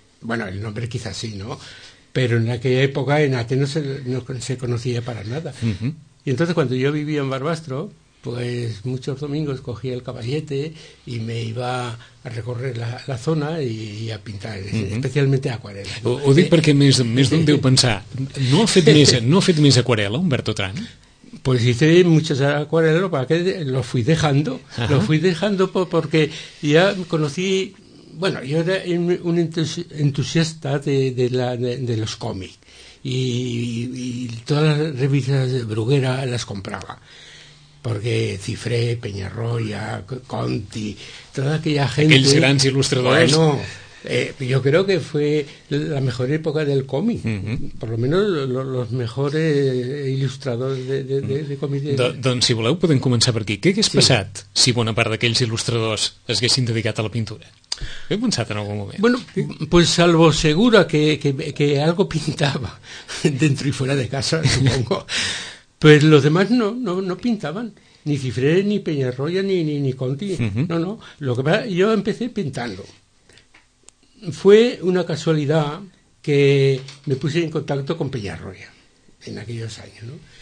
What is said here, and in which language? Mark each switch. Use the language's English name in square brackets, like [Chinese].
[Spanish] Bueno, el nombre quizás sí, ¿no? Pero en aquella época Enate no se conocía para nada. Y entonces cuando yo vivía en Barbastro, pues muchos domingos cogía el caballete y me iba a recorrer la zona y a pintar, especialmente acuarela. [Catalan] Ho dic perquè més d'un deu pensar, no ha fet més acuarela, Humbert Otran? [Spanish] Pues hice muchas acuarelas, para que lo fui dejando. Ajá. Lo fui dejando porque ya conocí, bueno, yo era un entusiasta de los cómics, y todas las revistas de Bruguera las compraba, porque Cifré, Peñarroya, Conti, toda aquella gente, aquellos grandes ilustradores. Bueno, yo creo que fue la mejor época del cómic, por lo menos los mejores ilustradores de cómic. [Catalan] Doncs, si voleu, podem començar per aquí. Què hagués passat si bona part d'aquells il·lustradors s'haguessin dedicat a la pintura? He pensat en algun moment. [Spanish] Bueno, pues salvo segura que algo pintaba dentro y fuera de casa, supongo. Pues los demás no pintaban. Ni Cifré, ni Peñarroya, ni Conti. No. Lo que pasa, yo empecé pintando. Fue una casualidad que me puse en contacto con Peñarroya en aquellos años, ¿no?